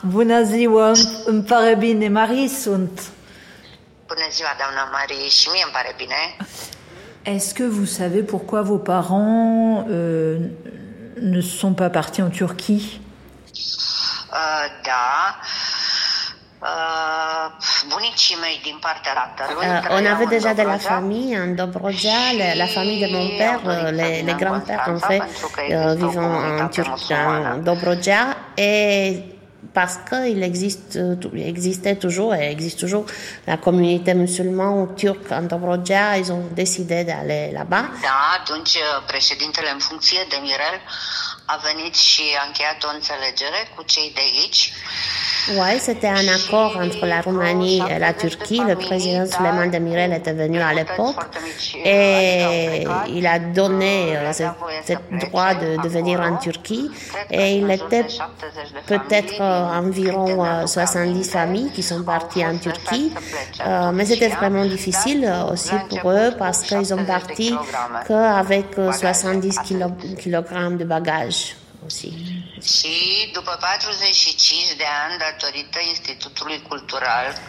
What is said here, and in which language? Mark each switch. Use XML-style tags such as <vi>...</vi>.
<ro>Bună ziua, îmi pare bine. Marie sunt. Ah, Bună ziua, doamna Marie, și mie îmi pare bine.</ro> <fr>Est-ce que vous savez pourquoi vos parents ne sont pas partis en Turquie?</fr> <ro>Da. Bunicii mei din partea tatălui.</ro> <fr>On avait déjà de la famille en Dobrogea, la famille de mon père, les grands-pères en fait vivent en Turquie, en Dobrogea, et parce qu'il existait toujours et existe toujours la communauté musulmane turque en Dobrogea, ils ont décidé d'aller là-bas.</fr> <ro>Da, donc președintele en fonction de Mirel a venit și a încheiat o înțelegere cu cei de aici.</ro> <fr>Ouais, c'était un accord entre la Roumanie et la Turquie. Le président Suleiman Demirel était venu à l'époque et il a donné ce droit de venir en Turquie. Et il était peut-être environ 70 familles qui sont parties en Turquie. Mais c'était vraiment difficile aussi pour eux parce qu'ils ont parti qu'avec 70 kg de bagages.</fr> <ro>Și după 45 de ani datorită Institutului Cultural.</ro>